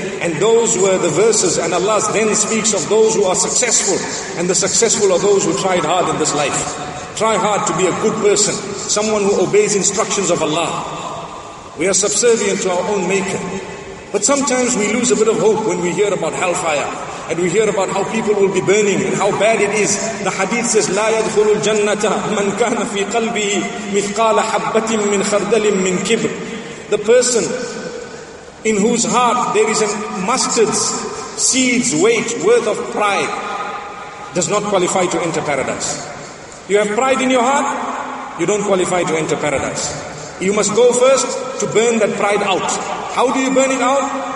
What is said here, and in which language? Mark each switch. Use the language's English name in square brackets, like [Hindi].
[English] And those were the verses, and Allah then speaks of those who are successful, and the successful are those who tried hard in this life. Try hard to be a good person, someone who obeys instructions of Allah. We are subservient to our own maker. But sometimes we lose a bit of hope when we hear about hellfire, and we hear about how people will be burning and how bad it is. The hadith says, [Arabic] لا يدخل الجنة من كان في قلبه مثقال حبة من خردل من كبر. [English] The person in whose heart there is a mustard seed's weight worth of pride does not qualify to enter paradise. You have pride in your heart, you don't qualify to enter paradise. You must go first to burn that pride out. How do you burn it out?